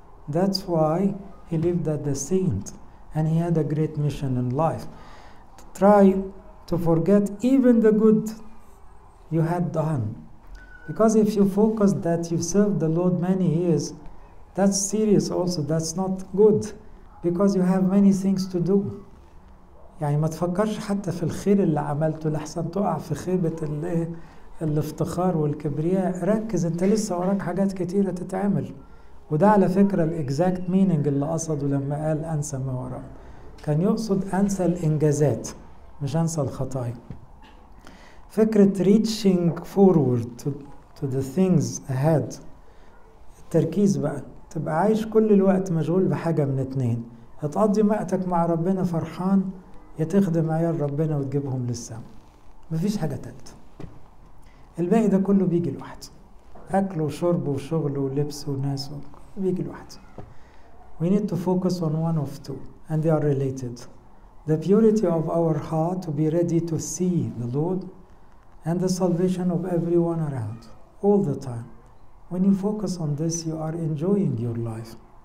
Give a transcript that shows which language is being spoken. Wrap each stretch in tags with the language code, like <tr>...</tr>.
<en>That's why he lived as a saint, and he had a great mission in life. Try to forget even the good you had done. Because if you focus that you served the Lord many years, that's serious also, that's not good. Because you have many things to do.</en> <ar>يعني ما تفكرش حتى في الخير اللي عملته لحسن تقع في خيبة الافتخار والكبرياء. ركز انت لسه وراك حاجات كتيرة تتعمل. وده على فكرة</ar> <en>الإكزاكت مينينج</en> <ar>اللي قصده لما قال أنسى ما وراء. كان يقصد أنسى الإنجازات مش أنسى الخطايا. فكرة</ar> <en>reaching forward to the things ahead.</en> <ar>التركيز بقى. تبقى عايش كل الوقت مشغول بحاجة من اتنين. هتقضي وقتك مع ربنا فرحان يتخدم عيال ربنا وتجيبهم للسماء. مفيش حاجة تالتة. الباقي ده كله بيجي لوحده. أكل وشرب وشغل ولبس وناس بيجي لوحده.</ar> <en>We need to focus on one of two, and they are related. The purity of our heart to be ready to see the Lord, and the salvation of everyone around, all the time. When you focus on this, you are enjoying your life.</en>